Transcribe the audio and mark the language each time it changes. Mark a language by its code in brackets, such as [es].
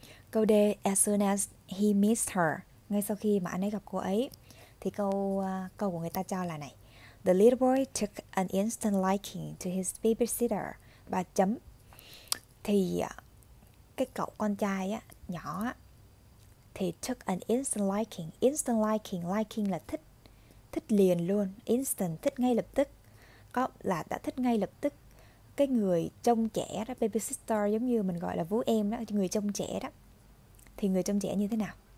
[vi] Câu D, [en] as soon as he missed her. [vi] Ngay sau khi mà anh ấy gặp cô ấy. Thì câu của người ta cho là này. [en] The little boy took an instant liking to his babysitter. [vi] Ba chấm. Thì cái cậu con trai á, nhỏ á, thì [en] took an instant liking. [vi] Instant liking, liking là thích. Thích liền luôn. Instant, thích ngay lập tức. Có là đã thích ngay lập tức. Cái người trông trẻ đó, babysitter, giống như mình gọi là vú em đó, người trông trẻ đó. Thì người trông trẻ như thế nào?